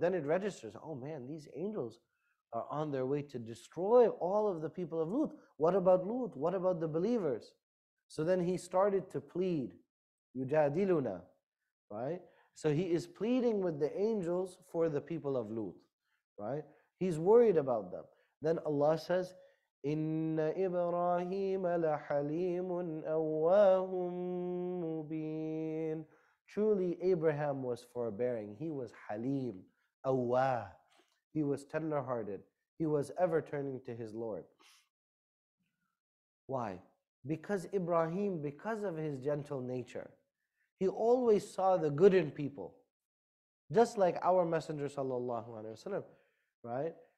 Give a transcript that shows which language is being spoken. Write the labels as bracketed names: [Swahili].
[English] Then it registers, oh man, these angels are on their way to destroy all of the people of Lut. What about Lut? What about the believers? So then he started to plead, يُجَادِلُنَا, right? So he is pleading with the angels for the people of Lut, right? He's worried about them. Then Allah says, [Arabic] إِنَّ إِبْرَاهِيمَ لَحَلِيمٌ أَوَّاهٌ مُبِينٌ. [English] Truly Abraham was forbearing. He was Halim, Awwah. He was tender-hearted. He was ever turning to his Lord. Why? Because Ibrahim, because of his gentle nature, he always saw the good in people, just like our Messenger sallallahu alaihi wasallam, right?